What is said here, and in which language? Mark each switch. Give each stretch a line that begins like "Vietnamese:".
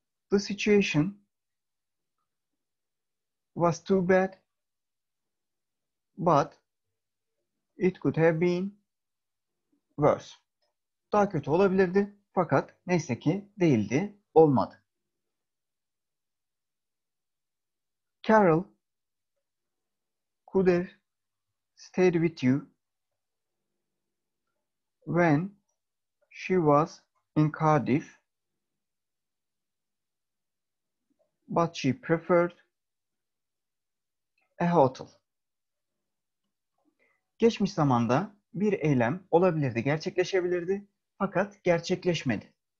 English: The situation was too bad, but it could have been worse.
Turkish: Daha kötü olabilirdi, fakat neyse ki değildi, olmadı.
English: Carol could have stayed with you when she was in Cardiff, but she preferred a hotel.
Turkish: Geçmiş zamanda bir eylem olabilirdi, gerçekleşebilirdi, fakat gerçekleşmedi.